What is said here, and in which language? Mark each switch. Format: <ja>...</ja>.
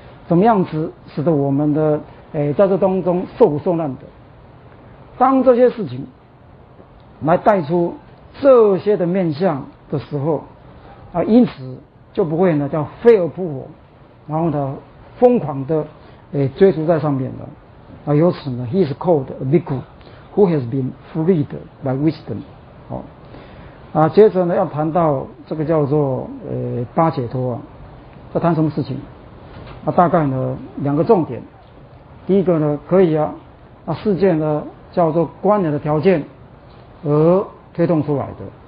<zh>怎么样子使得我们的在这当中受苦受难的？当这些事情来带出这些的面向的时候啊，因此就不会呢叫飞蛾扑火，然后呢疯狂的追逐在上面了啊。由此呢</zh> <en>，he is called a bhikkhu who has been freed by wisdom。</en> <zh>好啊，接着呢要谈到这个叫做八解脱啊，在谈什么事情？啊，大概呢两个重点。第一个呢，可以啊，啊世界呢叫做观念的条件而推动出来的。</zh>